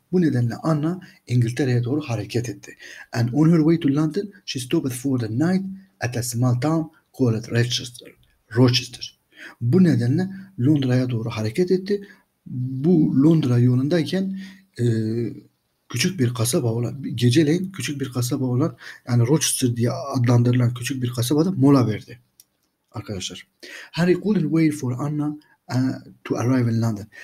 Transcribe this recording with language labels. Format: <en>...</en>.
<tr>Bu nedenle Anna İngiltere'ye doğru hareket etti.</tr> <en>And on her way to London, she stopped for the night at a small town called Rochester.</en> <tr>Bu nedenle Londra'ya doğru hareket etti. Bu Londra yolundayken küçük bir kasaba olan, geceleyin küçük bir kasaba olan, yani Rochester diye adlandırılan küçük bir kasabada mola verdi arkadaşlar.</tr> <en>Henry couldn't wait for Anna to arrive in London.</en>